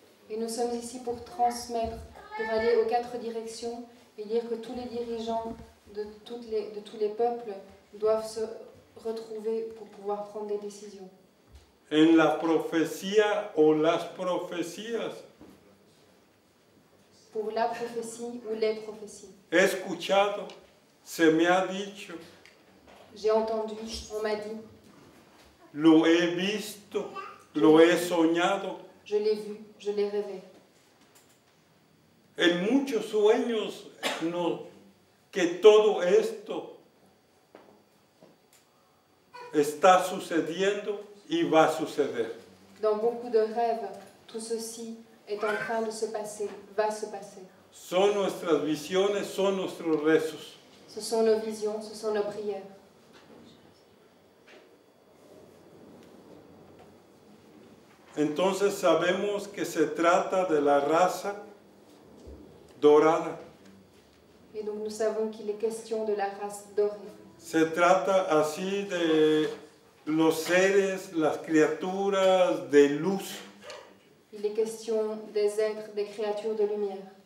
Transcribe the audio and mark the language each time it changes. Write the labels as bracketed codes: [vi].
[fr] Y nous sommes ici pour transmettre, pour aller aux quatre directions et dire que tous les dirigeants de tous les peuples doivent se retrouver pour pouvoir prendre des décisions. [es] En la profecía o las profecías. [fr] Pour la prophétie ou les prophéties. [es] He escuchado, se me ha dicho. [fr] J'ai entendu, on m'a dit. [es] Lo he visto, lo he soñado. [fr] Je l'ai vu, je l'ai rêvé. [es] En muchos sueños, no, que todo esto está sucediendo y va a suceder. [fr] Dans beaucoup de rêves, tout ceci est en train de se passer, va se passer. [es] Son nuestras visiones, son nuestros rezos. [fr] Ce sont nos visions, ce sont nos prières. [es] Entonces sabemos que se trata de la raza dorada. [fr] Y donc nous savons qu'il est question de la race dorée. [es] Se trata así de los seres, las criaturas de luz. [fr] Il est question des êtres, des créatures de lumière.